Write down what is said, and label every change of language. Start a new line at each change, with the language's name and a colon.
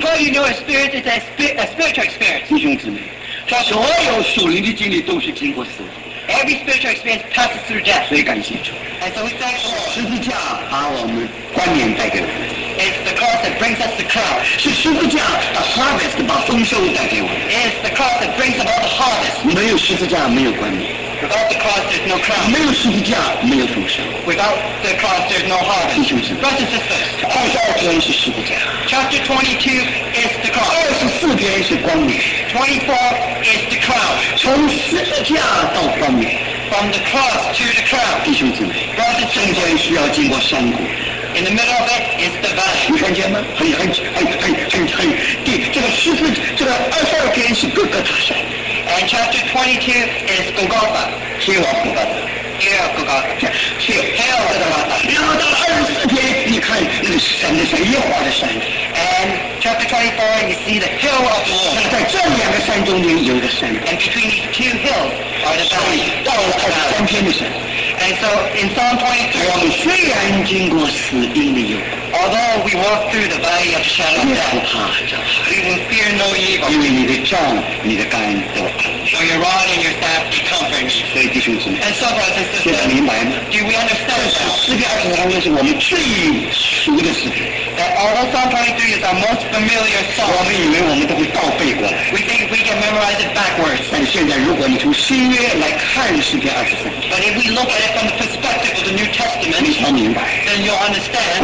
English: How do you know a spirit is a spiritual experience?
Chinese: 弟兄姊妹，所有属灵的经历都是经过死亡。
English: Every spiritual experience passes through death.
Chinese: 所以感谢主。
English: And so we thank the Lord.
Chinese: 十字架把我们冠冕带给我们。
English: It's the cross that brings us the crown.
Chinese: 是十字架把 harvest 把丰收带给我们。
English: It's the cross that brings about the harvest.
Chinese: 没有十字架没有冠冕。
English: Without the cross, there's no crown.
Chinese: 没有十字架没有丰收。
English: Without the cross, there's no harvest.
Chinese: 弟兄姊妹。
English: Brothers and sisters.
Chinese: 二十二篇是十字架。
English: Chapter 22 is the cross.
Chinese: 二十四篇是冠冕。
English: 24 is the crown.
Chinese: 从十字架到冠冕。
English: From the cross to the crown.
Chinese: 弟兄姊妹。
English: Brothers and sisters.
Chinese: 中间需要经过山谷。
English: In the middle of it is the valley.
Chinese: 你看见吗？很。第这个十字，这个二十二篇是各个大山。
English: And chapter 22 is Golgotha. Hill of Golgotha. Hill of Golgotha. Hill of Golgotha.
Chinese: 然后到二十四篇，你看那个山，那是耶和华的山。
English: And chapter 24, you see the hill of the Lord.
Chinese: 在这两个山中间有一个山。
English: And between these two hills are the valley.
Chinese: 到了二十三篇的山。
English: And so in Psalm 23,
Chinese: 我们虽然经过死荫的幽谷，
English: although we walk through the valley of the shadow of death, we will fear no evil.
Chinese: 因为你的杖，你的竿都安慰。
English: So your rod and your staff be comforting.
Chinese: 所以弟兄姊妹，
English: and so brothers and sisters,
Chinese: 现在明白吗？
English: Do we understand?
Chinese: 这是诗篇23篇是我们最熟的诗篇。
English: That although Psalm 23 is our most familiar song,
Chinese: 我们以为我们都会倒背过来。
English: We think we can memorize it backwards.
Chinese: 但现在如果你从新约来看诗篇二十三，
English: but if we look at it from the perspective of the New Testament, then you'll understand.